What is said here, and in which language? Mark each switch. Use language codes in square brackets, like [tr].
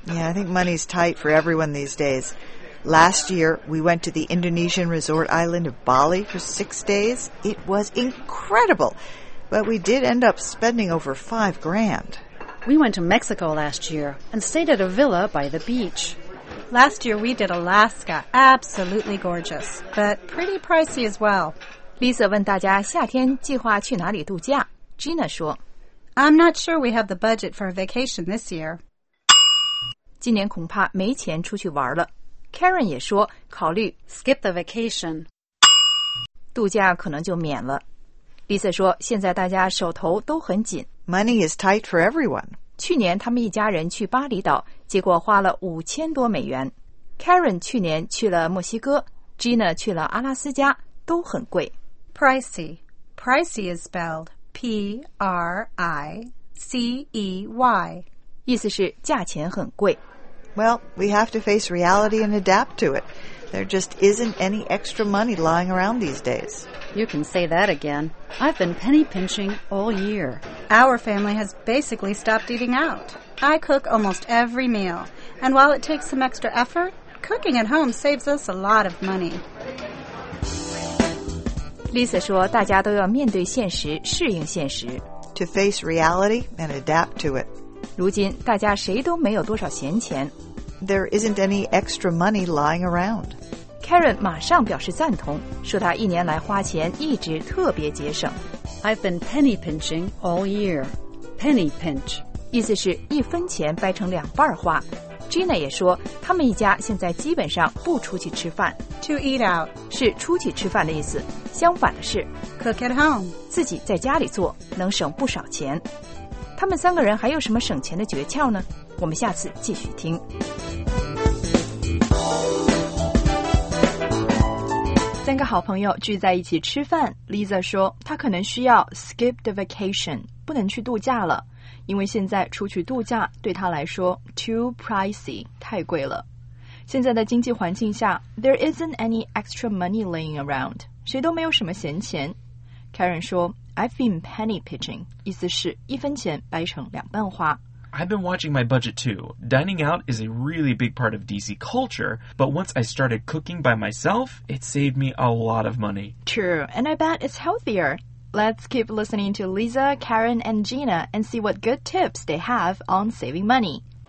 [en] Yeah, I think money's tight for everyone these days. Last year, we went to the Indonesian resort island of Bali for 6 days. It was incredible, but we did end up spending over $5,000. We went to Mexico last year and stayed at a villa by the beach. Last year, we did Alaska. Absolutely gorgeous, but pretty pricey as well. [zh] Lisa 问大家夏天计划去哪里度假。 Gina 说 [en] I'm not sure we have the budget for a vacation this year. [zh] 今年恐怕没钱出去玩了。 Karen 也说考虑 [en] skip the vacation. [zh] 度假可能就免了。 Lisa 说现在大家手头都很紧。 [en] Money is tight for everyone. [zh] 去年他们一家人去巴厘岛，结果花了$5,000+。 Karen 去年去了墨西哥， Gina 去了阿拉斯加，都很贵。 [en] Pricey. Pricey is spelled. P-R-I-C-E-Y. [zh] 意思是价钱很贵。 [en] Well, we have to face reality and adapt to it. There just isn't any extra money lying around these days. You can say that again. I've been penny pinching all year. Our family has basically stopped eating out. I cook almost every meal, and while it takes some extra effort, cooking at home saves us a lot of money. [zh] Lisa 说大家都要面对现实，适应现实。 [en] To face reality and adapt to it. [zh] 如今大家谁都没有多少闲钱。 [en] There isn't any extra money lying around. [zh] Karen 马上表示赞同，说她一年来花钱一直特别节省。 [en] I've been penny pinching all year. Penny pinch. [zh] 意思是一分钱掰成两半花。Gina 也说他们一家现在基本上不出去吃饭。 [en] To eat out. [zh] 是出去吃饭的意思。相反的是 [en] Cook at home. [zh] 自己在家里做能省不少钱。他们三个人还有什么省钱的诀窍呢？我们下次继续听。三个好朋友聚在一起吃饭， Lisa 说她可能需要 [en] skip the vacation， [zh] 不能去度假了，因为现在出去度假对她来说 [en] too pricey， [zh] 太贵了。现在的经济环境下 [en] there isn't any extra money laying around， [zh] 谁都没有什么闲钱。 Karen 说 [en] I've been penny pinching， [zh] 意思是一分钱掰成两半花。 [en] I've been watching my budget too. Dining out is a really big part of DC culture, but once I started cooking by myself, it saved me a lot of money. True, and I bet it's healthier. Let's keep listening to Lisa, Karen, and Gina and see what good tips they have on saving money.